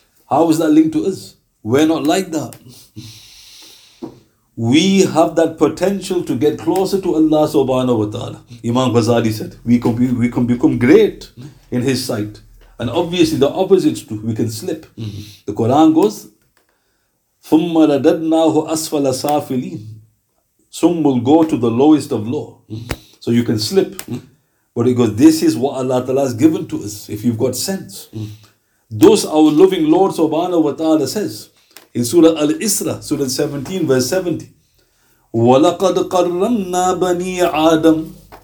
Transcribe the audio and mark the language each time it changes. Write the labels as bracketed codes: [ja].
[en] How is that linked to us? We're not like that. We have that potential to get closer to Allah subhanahu wa ta'ala. Imam Ghazali said, we can become great in his sight. And obviously the opposite too, we can slip. Mm-hmm. The Quran goes, [ar] ثُمَّ رَدَدْنَاهُ أَسْفَلَ سَافِلِينَ. [en] Some will go to the lowest of low. Mm-hmm. So you can slip. Mm-hmm. But he goes, this is what Allah ta'ala has given to us, if you've got sense. Mm-hmm. Thus our loving Lord subhanahu wa ta'ala says, in Surah Al-Isra, Surah 17, verse 70, [ar] وَلَقَدْ قَرَّمْنَا بَنِي آدَمْ.